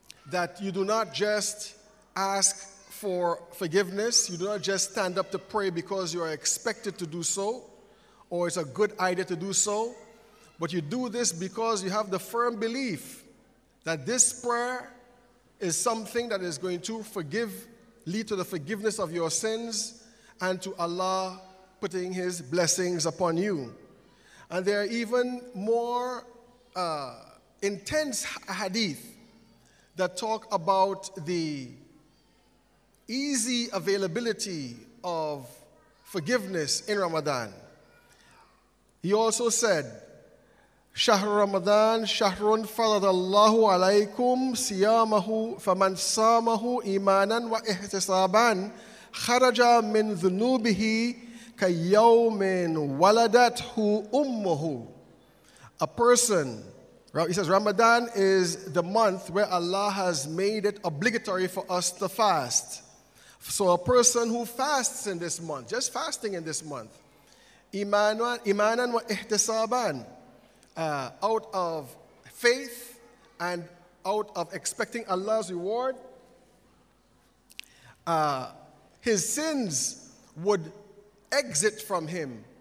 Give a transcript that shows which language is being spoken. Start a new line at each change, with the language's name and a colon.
English: that you do not just ask for forgiveness, you do not just stand up to pray because you are expected to do so, or it's a good idea to do so, but you do this because you have the firm belief that this prayer is something that is going to forgive, lead to the forgiveness of your sins and to Allah putting His blessings upon you. And there are even more intense hadith that talk about the easy availability of forgiveness in Ramadan. He also said,
Arabic: شهر رمضان شهر فرض الله عليكم صيامه فمن صامه إيمانا واحتسابا خرج من ذنوبه كيوم ولدته أمه.
English: A person, he says, Ramadan is the month where Allah has made it obligatory for us to fast. So a person who fasts in this month, just fasting in this month,
Arabic: إيمانا واحتسابا,
English: out of faith and out of expecting Allah's reward, his sins would exit from him.